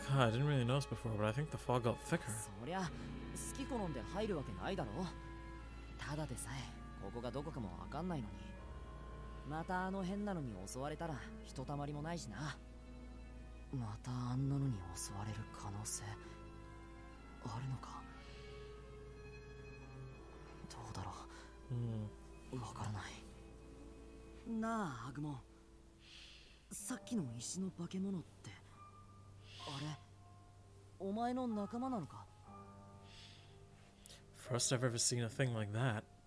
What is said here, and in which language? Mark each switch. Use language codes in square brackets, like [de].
[en] Huh, I didn't really notice before, but I think the fog got thicker. [ja] そりゃ、好き好んで入るわけないだろ。ただでさえ、ここがどこかもわかんないのに。またあの変なのに襲われたら、ひとたまりもないしな。またあんなのに襲われる可能性あるのか。どうだろう。わからない。なあ、アグモン。さっきの石の化け物って、あれ、お前の仲間なのか。 [en] First I've ever seen a thing like that.